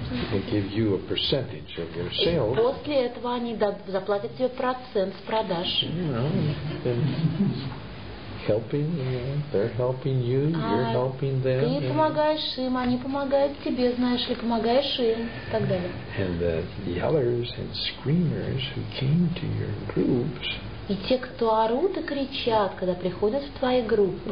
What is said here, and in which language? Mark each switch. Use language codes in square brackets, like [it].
[en] They give you a percentage of your sales. [ru] После этого они заплатят тебе процент с продаж. [en] Helping, you know, they're helping you, you're helping them. [ru] Ты помогаешь им, они помогают тебе, знаешь ли, помогаешь им, и так далее. [en] And the yellers and screamers who came to your groups. [ru] И те, кто орут и кричат, когда приходят в твои группы.